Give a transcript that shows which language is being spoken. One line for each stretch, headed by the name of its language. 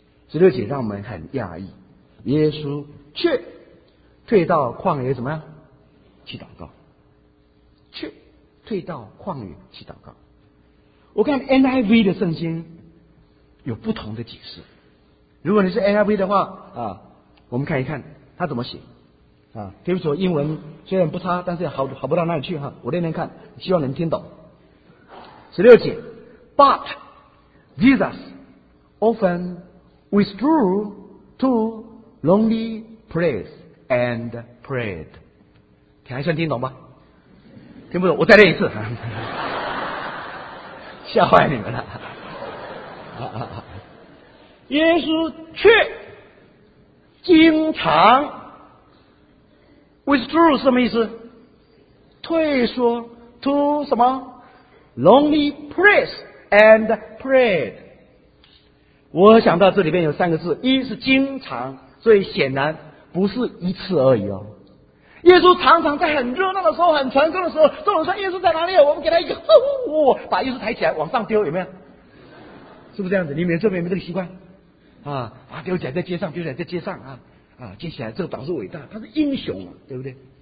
Chinese: 16节让我们很讶异，耶稣却退到旷野怎么样去祷告，却退到旷野去祷告。我看 NIV 的圣经有不同的解释，如果你是 NIV 的话啊，我们看一看他怎么写啊。对不起，英文虽然不差，但是好不到哪里去哈，我练练看，希望能听懂。
English: 16节 But Jesus often withdrew to lonely place and prayed.
Chinese: 还算听懂吧？听不懂我再练一次。吓坏你们了。耶稣却经常 withdrew 什么意思？退缩
English: to
Chinese: 什么
English: Lonely place and prayed。
Chinese: 我想到这里面有三个字，一是经常，所以显然不是一次而已哦。耶稣常常在很热闹的时候，很成功的时候，众人说耶稣在哪里，我们给他一个把耶稣抬起来往上丢，有没有？是不是这样子？你们这边有没有这个习惯啊？丢起来在街上，丢起来在街上啊，接起来，这个导师伟大，他是英雄啊，对不对？